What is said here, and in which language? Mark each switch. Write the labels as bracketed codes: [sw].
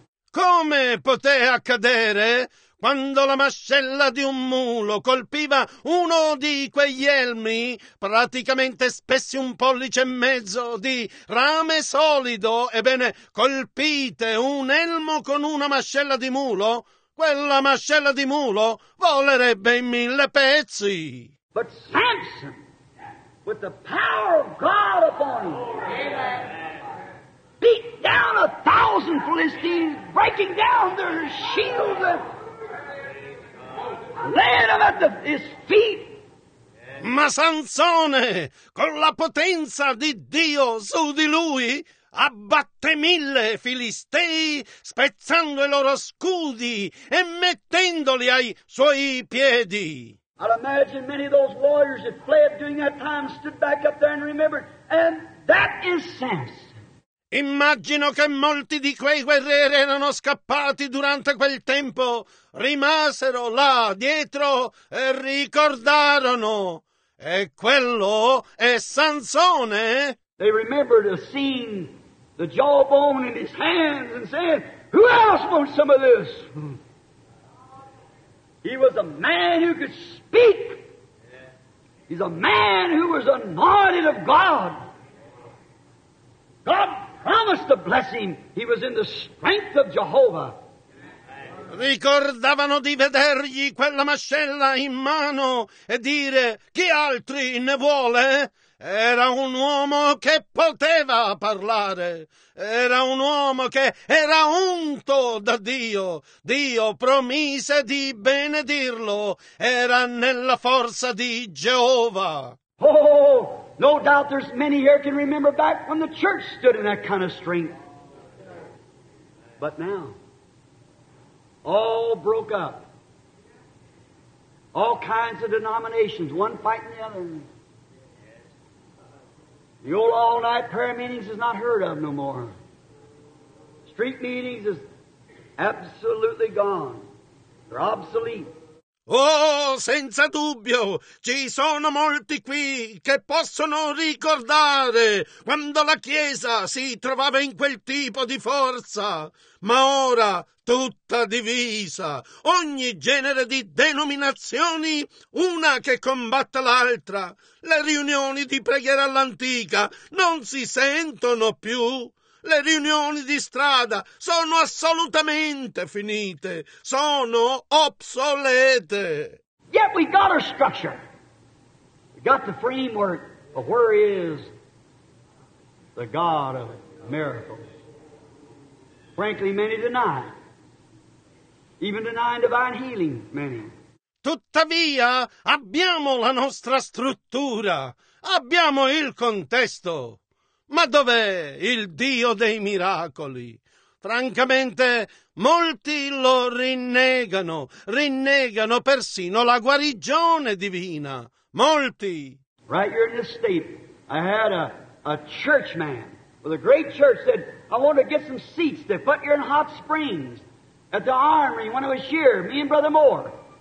[it] Come poté accadere quando la mascella di un mulo colpiva uno di quegli elmi, praticamente spessi un pollice e mezzo, di rame solido? Ebbene, colpite un elmo con una mascella di mulo? Quella mascella di mulo volerebbe in 1000 pezzi. [en] But Samson, with the power of God upon him. Beat down a thousand Philistines, breaking down their shields and laying them at his feet. [it] Ma Sansone, con la potenza di Dio su di lui, abbatte 1000 Filistei, spezzando i loro scudi e mettendoli ai suoi piedi. [en] I'd imagine many of those warriors that fled during that time stood back up there and remembered, and that is sense. [it] Immagino che molti di quei guerrieri erano scappati durante quel tempo, rimasero là dietro e ricordarono. E quello è Sansone. [en] They remembered a scene, the jawbone in his hands, and said, who else wants some of this? He was a man who could speak. He's a man who was anointed of God. God promised to bless him. He was in the strength of Jehovah. [it] Ricordavano di vedergli quella mascella in mano e dire, chi altri ne vuole? Era un uomo che poteva parlare, era un uomo che era unto da Dio. Dio promise di benedirlo, era nella forza di Geova. [en] Oh, no doubt there's many here can remember back when the church stood in that kind of strength. But now, all broke up. All kinds of denominations, one fighting the other. The old all-night prayer meetings is not heard of no more. Street meetings is absolutely gone. They're obsolete. [it] Oh, senza dubbio, ci sono molti qui che possono ricordare quando la Chiesa si trovava in quel tipo di forza, ma ora tutta divisa, ogni genere di denominazioni, una che combatte l'altra, le riunioni di preghiera all'antica non si sentono più. Le riunioni di strada sono assolutamente finite, sono obsolete. [en] Yet we got our structure. We got the framework, but where is the God of miracles? Frankly, many deny. Even deny divine healing, many. [it] Tuttavia, abbiamo la nostra struttura, abbiamo il contesto. Ma dov'è il Dio dei miracoli? Francamente, molti lo rinnegano. Rinnegano persino la guarigione divina. Molti. [en] Right here in this state, I had a church man with a great church said, I want to get some seats. They put you in Hot Springs at the Armory when I was here, me and Brother Moore.